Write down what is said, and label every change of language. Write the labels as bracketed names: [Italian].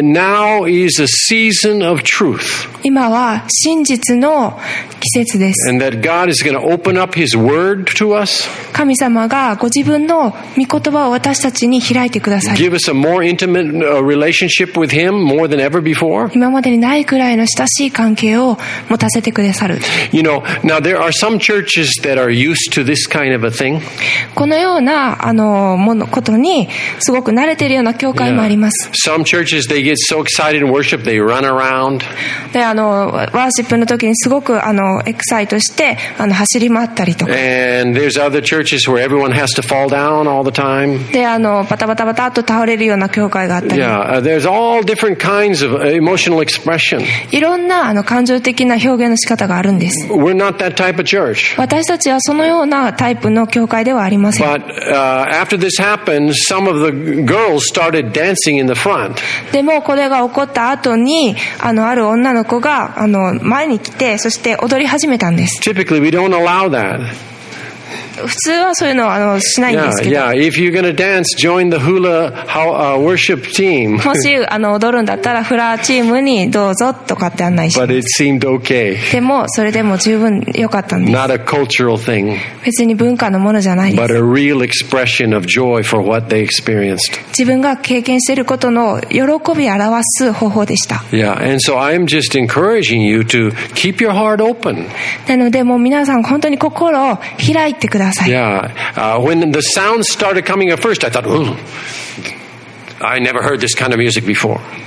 [English] And now is a season of truth. [Japanese] 今は真実の季節です。 [English] And that God is going to open up His word to us. [Japanese] 神様がご自分の御言葉を私たちに開いてください。 [English] Give us a more intimate relationship with Him more than ever before. [Japanese] 今までにないくらいの親しい関係を持たせてくださる。 [English] You know, now there are some churches that are used to this kind of a thing. [Japanese] このようなことにすごく慣れているような教会もあります。 [English] Yeah. Some churches, they get so excited in worship, they run around. [Japanese] で、ワーシップの時にすごくエキサイトして走り回ったりとか。 [English] And there's other churches where everyone has to fall down all the time. [Japanese] で、バタバタバタと倒れるような教会があったり。 [English] Yeah, there's all different kinds of emotional expression. [Japanese] いろんな感情的な表現の仕方があるんです。 [English] We're not that type of church. [Japanese] 私たちはそのようななタイプの教会ではありません。 [English] But, after this happened, some of the girls started dancing in the front. [Japanese] でもこれが起こった後に、ある女の子が前に来て、そして踊り始めたんです。 [English] Typically, we don't allow that. [Japanese] 普通はそういうのはしないんですけど。 [English] Yeah, yeah. If you're gonna dance, join the hula worship team. [Japanese] もし踊るんだったらフラーチームにどうぞとかって案内します。 [English] But it seemed okay. [Japanese] でもそれでも十分良かったんです。 [English] Not a cultural thing. [Japanese] 別に文化のものじゃないです。 [English] But a real expression of joy for what they experienced. [Japanese] 自分が経験していることの喜びを表す方法でした。 [English] Yeah, and so I'm just encouraging you to keep your heart open. [Japanese] なのでもう皆さん本当に心を開いてください。 [English] Yeah, when the sounds started coming at first, I thought, "Ooh, I never heard this kind of music before."